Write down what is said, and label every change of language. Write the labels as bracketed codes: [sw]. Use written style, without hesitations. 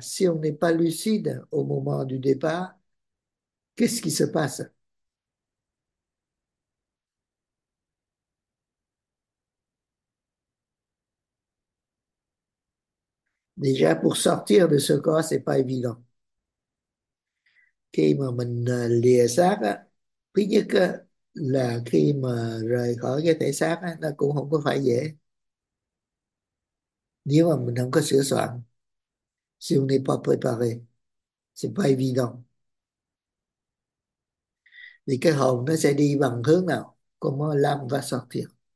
[fr] Si on n'est pas lucide au moment du départ, qu'est-ce qui se passe? Déjà, pour sortir de ce corps, c'est pas évident. [vi] Khi mà mình lìa xác á, thứ nhất á, là khi mà rời khỏi cái thể xác á, nó cũng không có phải dễ. Nếu mà mình không có sửa soạn, [fr] si on n'est pas préparé, c'est pas évident. [vi] Thì cái hồn nó sẽ đi bằng hướng nào? [fr] Comment l'âme va sortir?